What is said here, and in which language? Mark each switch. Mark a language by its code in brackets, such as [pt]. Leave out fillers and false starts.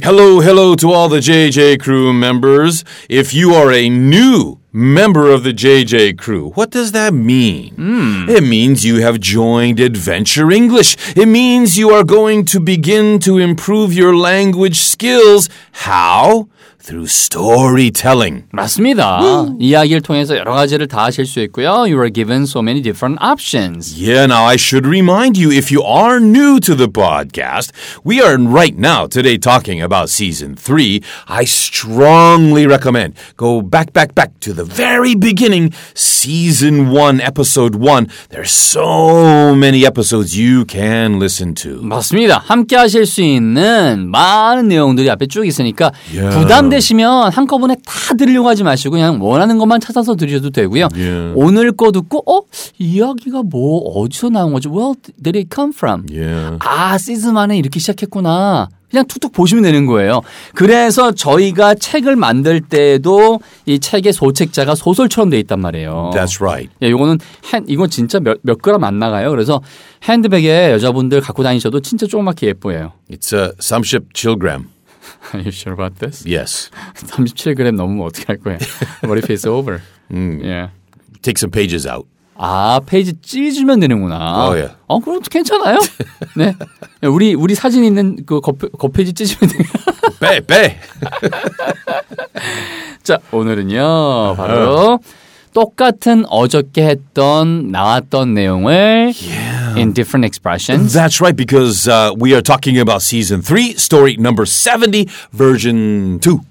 [en] Hello, hello to all the JJ crew members. If you are a new member of the JJ crew, what does that mean? It means you have joined Adventure English. It means you are going to begin to improve your language skills. How? Through storytelling. [ko] 맞습니다. 이야기를 통해서 여러 가지를 다 하실 수 있고요. [en] You are given so many different options. Yeah, now I should remind you, if you are new to the podcast, we are right now, today, talking about season 3. I strongly recommend go back to the very beginning, season 1, episode 1. There's so many episodes you can listen to. [ko] 맞습니다. 함께 하실 수 있는 많은 내용들이 앞에 쭉 있으니까 yeah. 부담 되시면 한꺼번에 다 들으려고 하지 마시고 그냥 원하는 것만 찾아서 들으셔도 되고요. [en] Yeah. [ko] 오늘 거 듣고 어? 이야기가 뭐 어디서 나온 거지? [en] Where did it come from? Yeah. [ko] 아, 시즌 1에 이렇게 시작했구나. 그냥 툭툭 보시면 되는 거예요. 그래서 저희가 책을 만들 때도 이 책의 소책자가 소설처럼 돼 있단 말이에요. [en] That's right. [ko] 예, 이거는 이건 진짜 몇 그램 안 나가요. 그래서 핸드백에 여자분들 갖고 다니셔도 진짜 조그맣게 예뻐요. [en] It's a 37g. Are you sure about this? Yes. [ko] 37g 넘으면 어떻게 할 거야? [en] What if it's over? Yeah. Take some pages out. [ko] 아, 페이지 찢으면 되는구나. [en] Oh, yeah. [ko] 어, 그럼 괜찮아요? 네. 우리 사진 있는 그 겉페이지 찢으면 돼요. 빼. 자, 오늘은요. 바로 똑같은 어저께 했던 나왔던 내용을 [en] yeah. in different expressions. That's right, because we are talking about season 3, story number 70, version 2.